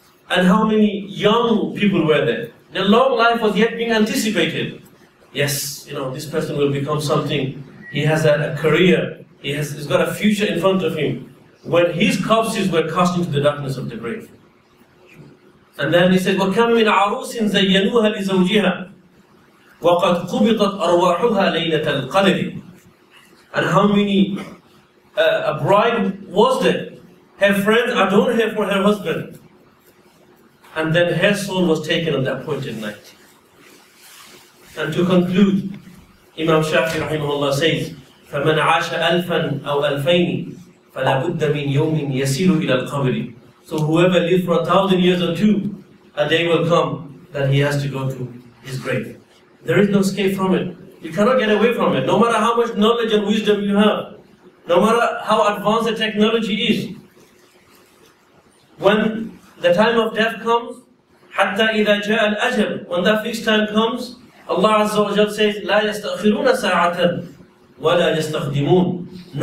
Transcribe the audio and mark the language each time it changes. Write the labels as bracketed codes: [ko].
[en] And how many young people were there? Their long life was yet being anticipated. Yes, you know, this person will become something. He has a career. He's got a future in front of him. When his corpses were cast into the darkness of the grave. And then he said, [ar] وَكَمْ مِنْ عَرُوسٍ زَيَّنُوهَا لِزَوْجِهَا وَقَدْ قُبِطَتْ أَرْوَاحُهَا لَيْلَةَ الْقَدْرِ. [en] And how many a bride was there? Her friends adored her for her husband. And then her soul was taken on that appointed night. And to conclude, Imam Shafi rahimahullah says, [ar] فَمَنْ عَاشَ أَلْفًا أَوْ أَلْفَيْنِ فَلَا بُدَّ مِنْ يَوْمٍ يَسِيرُ إِلَى الْقَبْرِ. [en] So whoever lived for 1,000 years or 2, a day will come that he has to go to his grave. There is no escape from it. You cannot get away from it. No matter how much knowledge and wisdom you have, no matter how advanced the technology is, when the time of death comes, [ar] حَتَّى إِذَا جَاءَ الْأَجَلُ, [en] when that fixed time comes, Allah Azza wa Jal says, [ar] لَا يَسْتَأْخِرُونَ سَاعَةً وَلَا يَسْتَخْدِمُونَ.